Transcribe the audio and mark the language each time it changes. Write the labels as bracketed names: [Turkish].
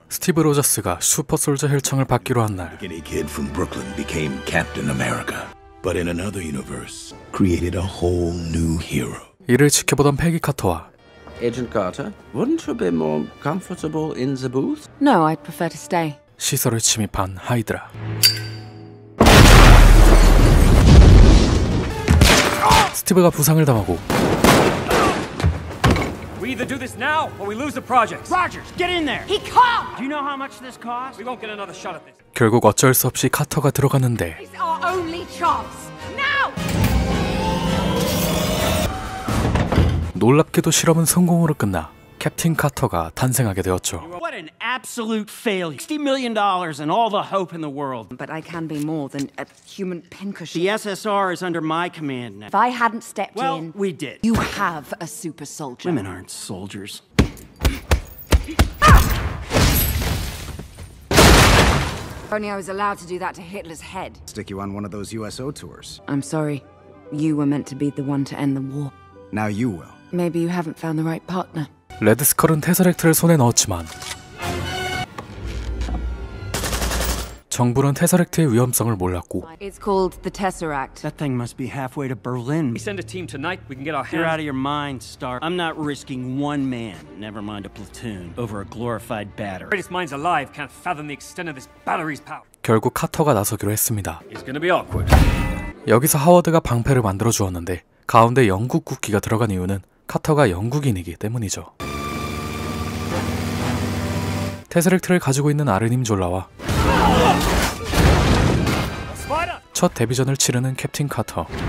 [Korean] 스티브 로저스가 슈퍼솔저 혈청을 받기로 한 날. [English] Any kid from Brooklyn became Captain America. But in another universe, created a whole new hero. [Korean] 이를 지켜보던 페기 카터와 [English] Agent Carter, wouldn't you be more comfortable in the booth? No, I'd prefer to stay. [Korean] 시설을 침입한 하이드라. 스티브가 부상을 당하고 [English] We either do this now or we lose the project. Rogers, get in there. He can't. Do you know how much this costs? We won't get another shot at this. [Korean] 결국 어쩔 수 없이 카터가 들어갔는데. [English] It's our only chance. Now. [Korean] 놀랍게도 실험은 성공으로 끝나 캡틴 카터가 탄생하게 되었죠. [English] What an absolute failure. $60 million and all the hope in the world. But I can be more than a human pincushion. The SSR is under my command now. If I hadn't stepped well, in. Well, we did. You have a super soldier. Women aren't soldiers. 아! Only I was allowed to do that to Hitler's head. Stick you on one of those USO tours. I'm sorry. You were meant to be the one to end the war. Now you will. Maybe you haven't found the right partner. [Korean] 레드스컬은 테서렉트를 손에 넣었지만 정부는 테서렉트의 위험성을 몰랐고 [English] It's called the Tesseract. That thing must be halfway to Berlin. We send a team tonight, we can get our hands. You're out of your mind, Star. I'm not risking one man, never mind a platoon, over a glorified battery. The greatest minds alive can't fathom the extent of this battery's power. [Korean] 결국 카터가 나서기로 했습니다. [English] It's gonna be awkward. [Korean] 여기서 하워드가 방패를 만들어 주었는데 가운데 영국 국기가 들어간 이유는 카터가 영국인이기 때문이죠. 테세렉트를 가지고 있는 아르님 졸라와 첫 데뷔전을 치르는 캡틴 카터.